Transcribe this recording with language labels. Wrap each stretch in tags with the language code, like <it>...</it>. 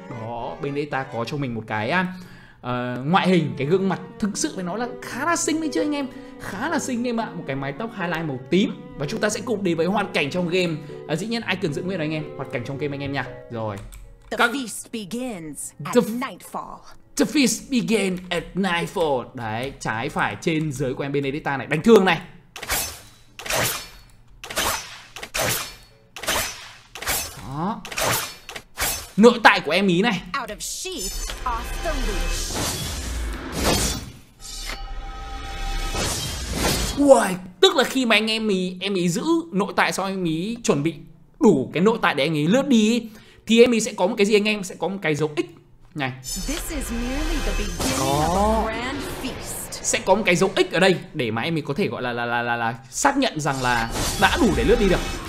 <vi>Đó, bên đây ta có cho mình một cái ngoại hình, cái gương mặt thực sự với nó là khá là xinh đấy chứ anh em. Khá là xinh anh em ạ. Một cái mái tóc highlight màu tím. Và chúng ta sẽ cùng đến với hoàn cảnh trong game. Dĩ nhiên ai cần giữ nguyên anh em. Hoàn cảnh trong game anh em nha. Rồi.</vi> <en>The feast begins at nightfall. The feast began at nightfall.</en> <vi>Đấy, trái phải trên dưới của em Benedetta này. Đánh thương này. Đó. Nội tại của em ý này.</vi> <en>Out of sheath, off the leash. Wow.</en> <vi>Tức là khi mà anh em ý giữ nội tại xong, em ý chuẩn bị đủ cái nội tại để anh ý lướt đi, thì em ý sẽ có một cái gì, anh em sẽ có một cái dấu X này.</vi> <en>This is merely the beginning of a grand feast.</en> <vi>Sẽ có một cái dấu X ở đây để mà em ý có thể gọi là xác nhận rằng là đã đủ để lướt đi được.</vi>